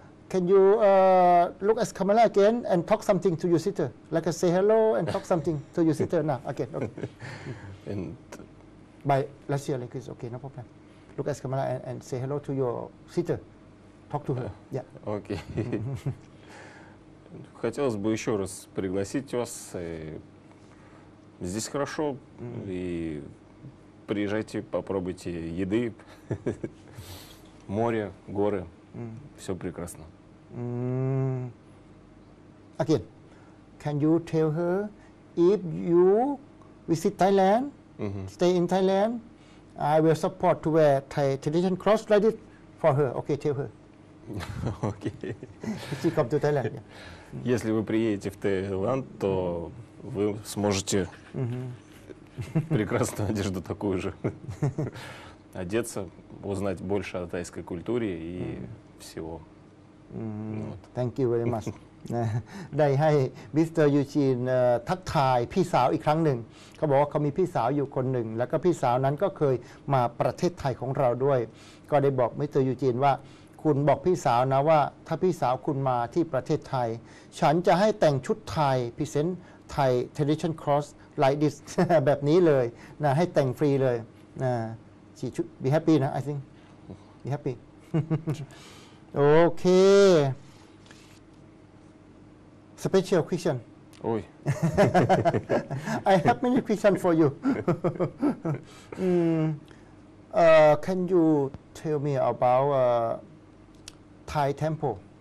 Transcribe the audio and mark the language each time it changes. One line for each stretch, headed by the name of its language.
English: Can you look at Kamala again and talk something to your sister? Like say hello and talk something to your sister now. Okay. And by Russia language, okay, no problem. Look at Kamala and say hello to your sister. Talk to her. Yeah. Okay.
Russian: Хотелось бы еще раз пригласить вас. Здесь хорошо, и приезжайте, попробуйте еды, море, горы, все прекрасно.
English: Again, can you tell her if you visit Thailand, stay in Thailand, I will support to wear Thai tradition cross like it for her. Okay, tell her. Okay. She come to Thailand.
Russian: Если вы приедете в Таиланд, то вы сможете прекрасную одежду такую же одеться, узнать больше о тайской культуре и всего.
English: Thank you very much.
Thai: ได้ให้มิสเตอร์ยูจีนทักทายพี่สาวอีกครั้งหนึ่งเขาบอกว่าเขามีพี่สาวอยู่คนหนึ่งแล้วก็พี่สาวนั้นก็เคยมาประเทศไทยของเราด้วยก็ได้บอกมิสเตอร์ยูจีนว่าคุณบอกพี่สาวนะว่าถ้าพี่สาวคุณมาที่ประเทศไทย ฉันจะให้แต่งชุดไทยพรีเซนต์ไทยเทรดิชันครอสไลท์ดิสแบบนี้เลยนะให้แต่งฟรีเลยนะสีชุดบีแฮปปี้นะ
English: I think
Thai: บีแฮปปี้โอเคสเปเชียลควิชชั่น โอ้ย
English: I have many question for you can you tell me about Thai temple.